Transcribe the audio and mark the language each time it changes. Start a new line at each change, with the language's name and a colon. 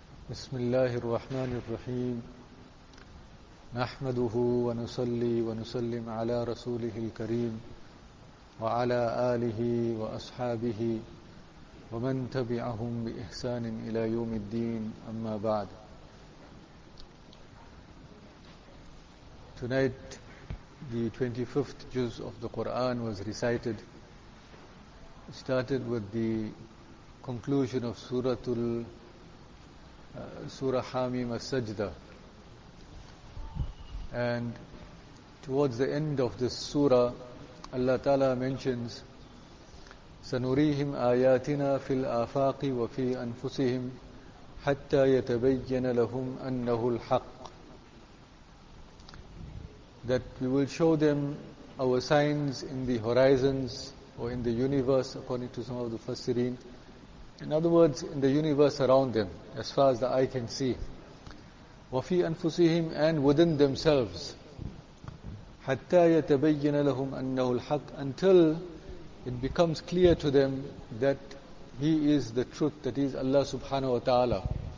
Arabic: بسم الله الرحمن الرحيم، نحمده ونصلي ونسلم على رسوله الكريم وعلى آله وأصحابه ومن تبعهم بإحسان إلى يوم الدين، أما بعد.
English: Tonight the 25th juz of the Quran was recited. Started with the conclusion of Surah Hamim al-Sajda. And towards the end of this surah, Allah Ta'ala mentions,
Arabic: سَنُرِيهِمْ آيَاتِنَا فِي الْآفَاقِ وَفِي أَنفُسِهِمْ حَتَّى يَتَبَيَّنَ لَهُمْ أَنَّهُ الْحَقِّ.
English: That we will show them our signs in the horizons, or in the universe, according to some of the Fassirin. In other words, in the universe around them, as far as the eye can see.
Arabic: وَفِي أَنفُسِهِمْ
English: and within themselves.
Arabic: حَتَّى يَتَبَيَّنَ لَهُمْ أَنَّهُ الْحَقِّ
English: until it becomes clear to them that He is the truth, that He is Allah subhanahu wa ta'ala.